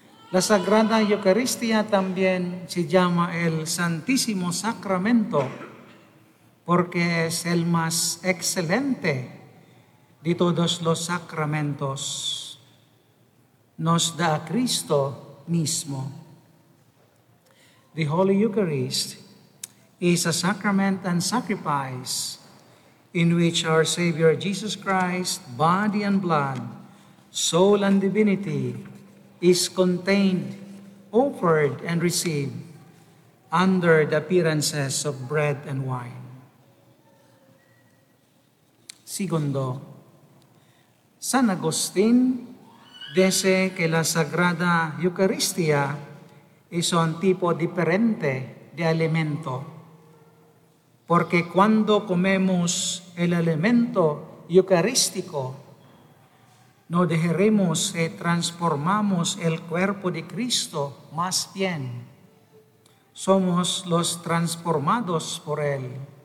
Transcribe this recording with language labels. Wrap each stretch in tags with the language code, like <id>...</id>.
<es>La Sagrada Eucaristía también se llama el Santísimo Sacramento porque es el más excelente de todos los sacramentos. Nos da a Cristo mismo.</es> <en>The Holy Eucharist is a sacrament and sacrifice in which our Savior Jesus Christ, body and blood, soul and divinity, is contained, offered and received under the appearances of bread and wine.</en> <es>Segundo, San Agustín dice que la Sagrada Eucaristía es un tipo diferente de alimento, porque cuando comemos el alimento eucarístico, no digerimos y transformamos el cuerpo de Cristo, más bien somos los transformados por Él.</es>